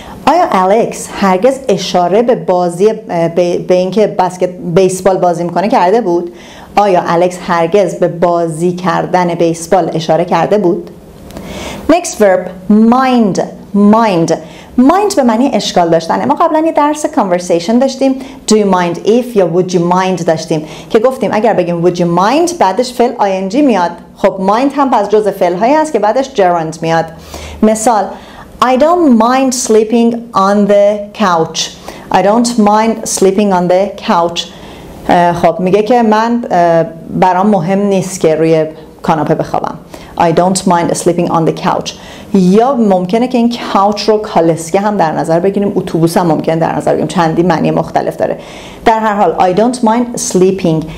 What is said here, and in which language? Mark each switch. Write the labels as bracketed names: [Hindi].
[Persian] آیا الکس هرگز اشاره به بازی به اینکه بسکت بیسبال بازی میکنه کرده بود؟ آیا الکس هرگز به بازی کردن بیسبال اشاره کرده بود؟ [English] Next verb mind. Mind. [Persian] Mind به معنی اشکال داشتن. ما قبلا یه درس conversation داشتیم. [English] Do you mind if [Persian] یا [English] would you mind [Persian] داشتیم که گفتیم اگر بگیم would you mind بعدش فعل ing میاد. خب mind هم پس جز فعل‌هایی است که بعدش gerund میاد. [English] مثال I don't mind sleeping on the couch. I don't mind sleeping on the couch. [Persian] خب میگه که من برام مهم نیست که روی کاناپه بخوابم. [English] I don't mind sleeping on the couch. [Persian] یا ممکنه که این couch رو کالسکه هم در نظر بگیریم، اتوبوس هم ممکنه در نظر بگیریم. چندی معنی مختلف داره. در هر حال [English] I don't mind sleeping.